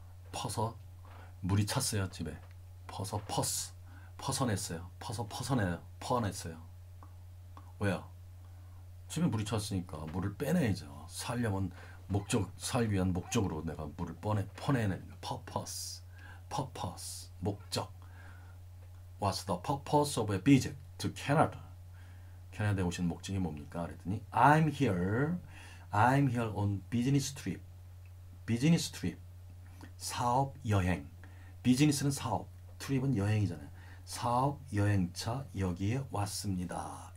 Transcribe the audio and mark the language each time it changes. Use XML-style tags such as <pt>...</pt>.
<ko>퍼서 물이 찼어요, 집에. 퍼서 퍼스. 퍼서냈어요. 퍼서 퍼서내요. 퍼냈어요. 왜요? 집에 물이 찼으니까 물을 빼내야죠. 살려면 목적, 살기 위한 목적으로 내가 물을 퍼내는 퍼퍼스. 퍼퍼스. 목적.</ko> <en>What's the purpose of a visit to Canada?</en> <ko>캐나다에 오신 목적이 뭡니까? 그랬더니</ko> <en>I'm here on business trip. Business trip.</en> <ko>사업 여행. 비즈니스는 사업, 트립은 여행이잖아요. 사업 여행차 여기에 왔습니다.</ko>